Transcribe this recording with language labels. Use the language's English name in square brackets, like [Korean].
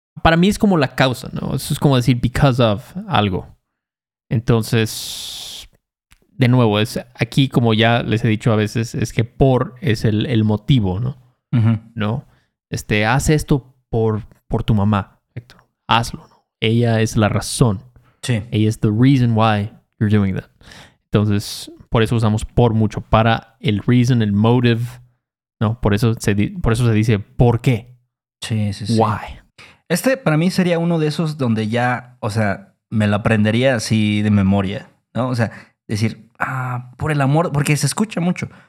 [Spanish] para mí es como la causa, ¿no? Eso es como decir [English] because of [Spanish] algo. Entonces, de nuevo, es aquí, como ya les he dicho a veces, es que por es el motivo, ¿no? Uh-huh. ¿No? Haz esto por tu mamá, Héctor. Hazlo, ¿no? Ella es la razón. Sí. Ella es [English] the reason why you're doing that. [Spanish] Entonces, por eso usamos por mucho. Para el reason, el motive, ¿no? Por eso se dice por qué. Sí, sí, sí. [English] Why. [Spanish] Este, para mí, sería uno de esos donde ya, o sea, me lo aprendería así de memoria, ¿no? O sea, decir, por el amor, porque se escucha mucho.